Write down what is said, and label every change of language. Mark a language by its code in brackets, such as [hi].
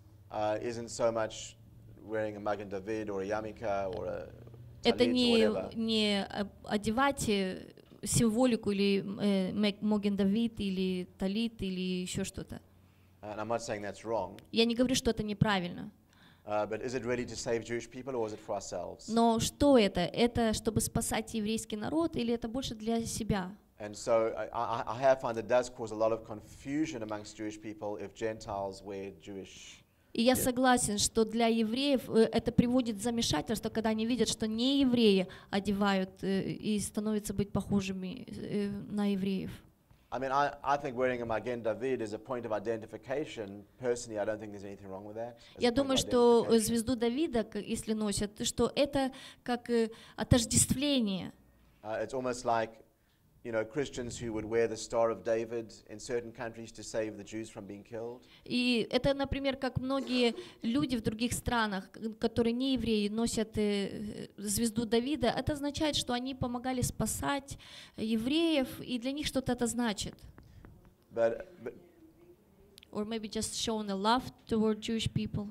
[en] Isn't so much wearing a Magen David or a yarmulke or a talit. [ru] Это не одевать символику или Magen David или талит или еще что-то. [en] And I'm not saying that's wrong. [ru] Я не говорю, что это неправильно. [en] But is it really to save Jewish people or is it for ourselves? [ru] Но что это? Это чтобы спасать еврейский народ или это больше для себя? [en] And so I have found it does cause a lot of confusion amongst Jewish people if Gentiles wear Jewish. [ru] И я согласен, что для евреев это приводит замешательство, когда они видят, что не евреи одевают и становятся быть похожими на евреев. [en] I mean, I think wearing a Magen David is a point of identification. Personally, I don't think there's anything wrong with that. [ru] Я думаю, что звезду Давида, если носят, что это как отождествление. [en] It's almost like, you know, Christians who would wear the Star of David in certain countries to save the Jews from being killed. [ru] И это, например, как многие люди в других странах, которые не евреи, носят звезду Давида. Это означает, что они помогали спасать евреев, и для них что-то это значит. [en] But or maybe just showing the love toward Jewish people,